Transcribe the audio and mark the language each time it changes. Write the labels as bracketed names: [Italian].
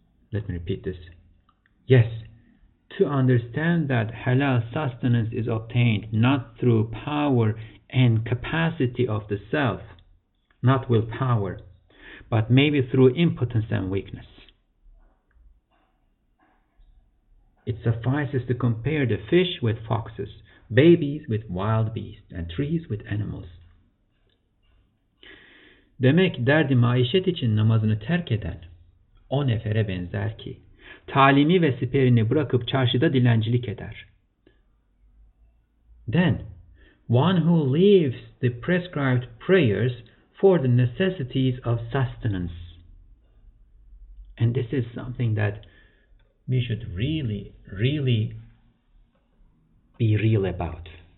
[English] Let me repeat this. Yes, to understand that halal sustenance is obtained not through power and capacity of the self, not willpower, but maybe through impotence and weakness. It suffices to compare the fish with foxes, babies with wild beasts, and trees with animals. [Turkish] Demek derdi maişet için namazını terk eden o nefere benzer ki, talimi ve siperini bırakıp çarşıda dilencilik eder. [English] Then, one who leaves the prescribed prayers for the necessities of sustenance. And this is something that we should really, really be real about.